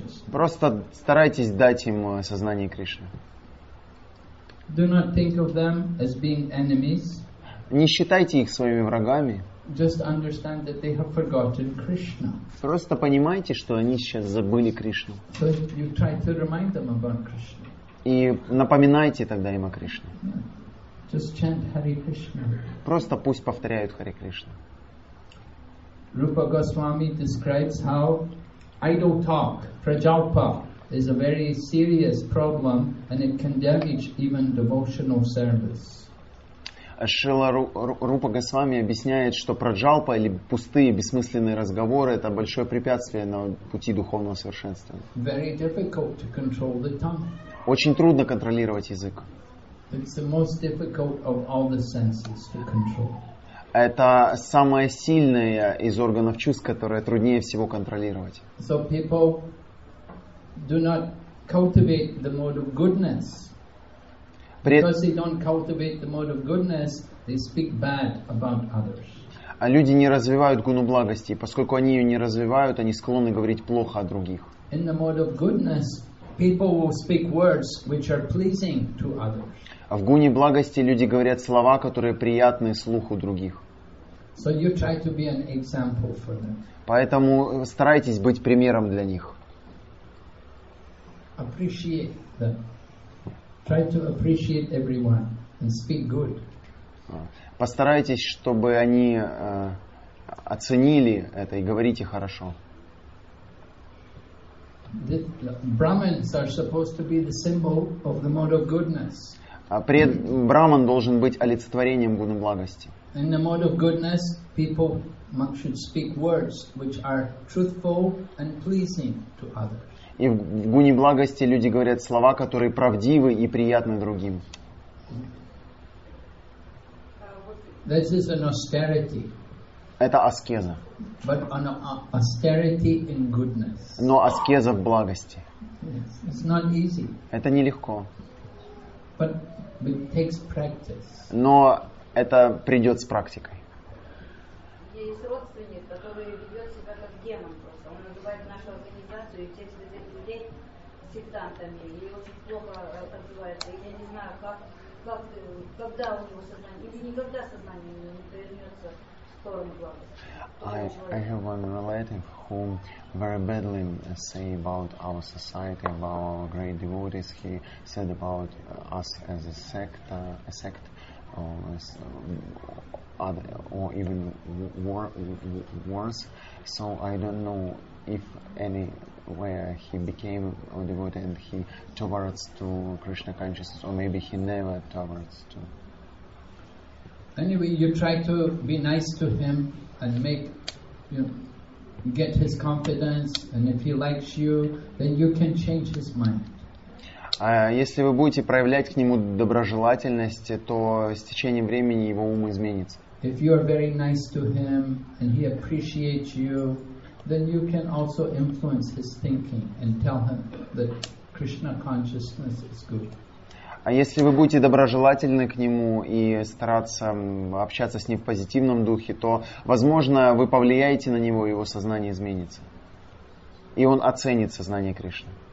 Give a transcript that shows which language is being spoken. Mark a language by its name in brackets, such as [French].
[Russian] Просто старайтесь дать им сознание Кришны. [English] Do not think of them as being enemies. [Russian] Не считайте их своими врагами. [English] Just understand that they have forgotten Krishna. [Russian] Просто понимайте, что они сейчас забыли Кришну. [English] So you try to remind them about Krishna. [Russian] И напоминайте тогда им о Кришне. [English] Just chant Hare Krishna. [Russian] Просто пусть повторяют Харе Кришна. [English] Rupa Goswami describes how idle talk, prajalpa, is a very serious problem and it can damage even devotional service. [Russian] Шрила Рупа Госвами объясняет, что праджалпа или пустые бессмысленные разговоры — это большое препятствие на пути духовного совершенствования. [English] Very difficult to control the tongue. [Russian] Очень трудно контролировать язык. [English] It's the most difficult of all the senses to control. [Russian] Это самое сильное из органов чувств, которое труднее всего контролировать. [English] So people do not cultivate the mode of goodness. Because they don't cultivate the mode of goodness, they speak bad about others. [Russian] А люди не развивают гуну благости, поскольку они ее не развивают, они склонны говорить плохо о других. [English] In the mode of goodness, people will speak words which are pleasing to others. [Russian] А в гуне благости люди говорят слова, которые приятны слуху других. [English] So you try to be an example for them. [Russian] Поэтому старайтесь быть примером для них. [English] Appreciate them. Try to appreciate everyone and speak good. [Russian] Постарайтесь, чтобы они оценили это и говорите хорошо. [English] Brahmins are supposed to be the symbol of the mode of goodness. [Russian] Браман должен быть олицетворением гуны благости. [English] In the mode of goodness, people should speak words which are truthful and pleasing to others. [Russian] И в гуне благости люди говорят слова, которые правдивы и приятны другим. [English] This is an austerity. [Russian] Это аскеза. [English] But an austerity in goodness. [Russian] Но аскеза в благости. [English] It's not easy. [Russian] Это нелегко. [English] But it takes practice. [Russian] Но это придет с практикой. Есть родственник, который ведет себя как демон просто. Он называет нашу организацию и тех людей сектантами. И очень плохо отзывается. И я не знаю, когда у него сознание, или никогда сознание у него не повернется в сторону благости. [English] I have one relative who very badly say about our society, about our great devotees. He said about us as a sect, or even worse. So I don't know if anywhere he became a devotee and he towards to Krishna consciousness, or maybe he never towards to. Anyway, you try to be nice to him and make, you know, get his confidence, and if he likes you, then you can change his mind. [Russian] Если вы будете проявлять к нему доброжелательность, то с течением времени его ум изменится. [English] If you are very nice to him and he appreciates you, then you can also influence his thinking and tell him that Krishna consciousness is good. [Russian] А если вы будете доброжелательны к нему и стараться общаться с ним в позитивном духе, то, возможно, вы повлияете на него, и его сознание изменится. И он оценит сознание Кришны.